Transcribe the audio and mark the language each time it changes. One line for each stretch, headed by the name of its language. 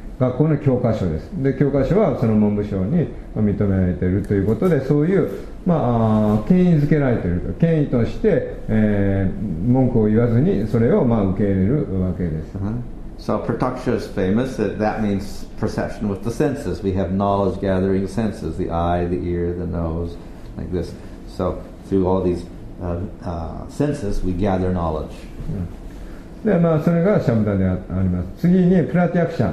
Japanese: 学校の教科書です。で、教科書はその文部省に認められているということで、そういう、まあ、権威づけられていると。権威として、文句を言わずにそれを、まあ、受け入れるわけです。 Uh-huh.
English: So Pratakṣa is famous, that means perception with the senses. We have knowledge gathering senses, the eye, the ear, the nose, like this. So through all these senses, we gather knowledge.
Japanese: で、まあ、それがシャムダであります。次にプラティアクシャ。